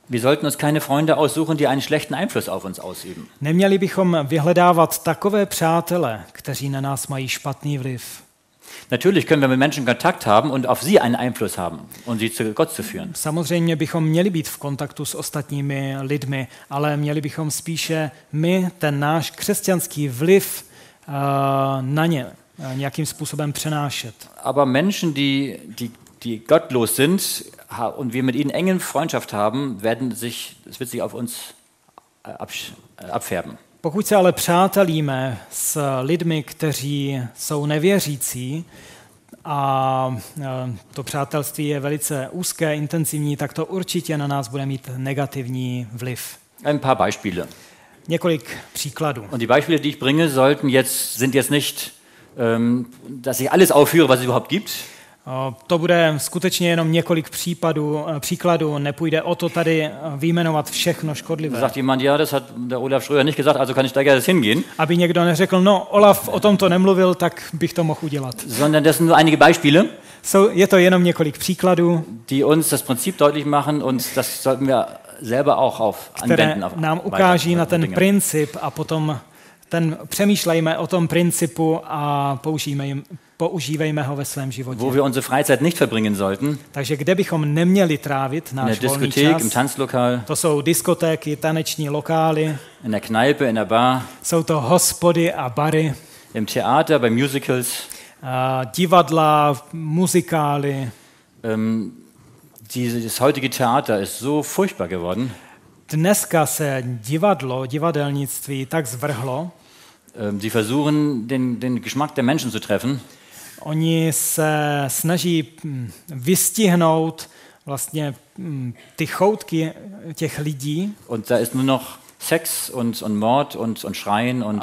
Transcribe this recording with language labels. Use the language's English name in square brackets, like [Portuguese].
[German] Wir sollten uns keine Freunde aussuchen, die einen schlechten Einfluss auf uns ausüben. [Czech] Neměli bychom vyhledávat takové přátele, kteří na nás mají špatný vliv. [German] Natürlich können wir mit Menschen Kontakt haben und auf sie einen Einfluss haben und sie zu Gott zu führen. [Czech] Samozřejmě bychom měli být v kontaktu s ostatními lidmi, ale měli bychom spíše my ten náš křesťanský vliv na ně nějakým způsobem přenášet. [German] Aber Menschen, die gottlos sind und wir mit ihnen engen Freundschaft haben, werden sich es wird sich auf uns abfärben. [Czech] Pokud se ale přátelíme s lidmi, kteří jsou nevěřící, a to přátelství je velice úzké, intenzivní, tak to určitě na nás bude mít negativní vliv. [German] Ein paar Beispiele. [Czech] Několik příkladů. [German] Und die Beispiele, die ich bringe, sollten jetzt sind jetzt nicht, dass ich alles aufführe, was es überhaupt gibt. [Czech] To bude skutečně jenom několik případů, příkladů, nepůjde o to tady vyjmenovat všechno škodlivé. [German] Sagt jemand, ja, das hat der Olaf Schröder nicht gesagt, also kann ich da gerne hingehen. [Czech] Aby někdo neřekl, no Olaf o tom to nemluvil, tak bych to mohl udělat. [German] Sondern das sind nur einige Beispiele. [Czech] Je to jenom několik příkladů, [German] die uns das Prinzip deutlich machen und das sollten wir selber auch auf anwenden. [Czech] Které nám ukáží na ten princip a potom ten přemýšlejme o tom principu a používejme ho ve svém životě. [German] Wo wir unsere Freizeit nicht verbringen sollten. [Czech] Takže kde bychom neměli trávit náš volný čas? [German] Im Tanzlokal. [Czech] To jsou diskotéky, taneční lokály. [German] In der Kneipe, in der Bar. [Czech] Jsou to hospody a bary. [German] Im Theater, bei Musicals. [Czech] Divadla, muzikály. [German] Dieses heutige Theater ist so furchtbar geworden. [Czech] Dneska se divadelnictví tak zvrhlo. [German] Sie versuchen den Geschmack der Menschen zu treffen. [Czech] Oni se snaží vystihnout vlastně ty choutky těch lidí. [German] Und da ist nur noch Sex und Mord und Schreien und